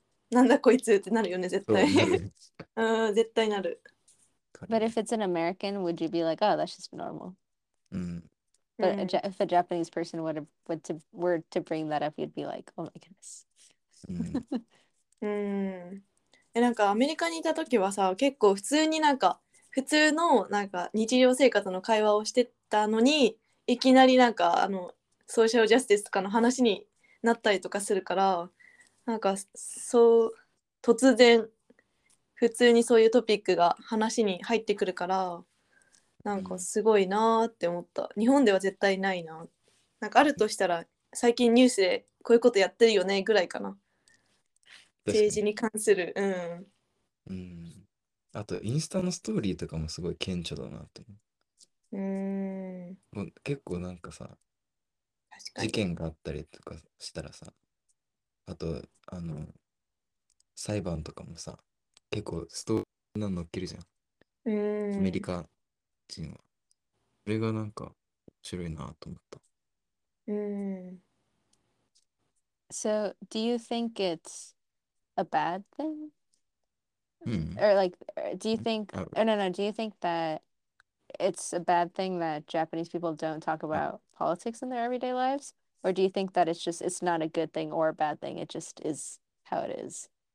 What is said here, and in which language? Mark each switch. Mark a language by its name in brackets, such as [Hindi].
[Japanese] なんだこいつってなるよね、絶対。絶対なる。 [English] But if it's an American, would you be like, oh, that's just normal? [Japanese] うん。 [English] But if a Japanese person were to bring that up, you'd be like, oh my goodness. [Japanese] うん。え、なんかアメリカにいた時はさ、結構普通になんか普通のなんか日常生活の会話をしてたのに、いきなりなんかあのソーシャルジャスティスとかの話になったりとかするから、なんかそう突然普通にそういうトピックが話に入ってくるから、なんかすごいなって思った。日本では絶対ないな。なんかあるとしたら最近ニュースでこういうことやってるよねぐらいかな。政治に関する、うん。うん。あとインスタのストーリーとかもすごい顕著だなって思う。もう結構なんかさ、確かに、事件があったりとかしたらさ、あとあの裁判とかもさ、結構ストーリーなの乗っけるじゃん。アメリカ人は。それがなんか面白いなと思った。 [English] So, do you think it's a bad thing? Mm. Or like, do you think, oh no, no, do you think that it's a bad thing that Japanese people don't talk about politics in their everyday lives? Or do you think that it's just, it's not a good thing or a bad thing, it just is how it is.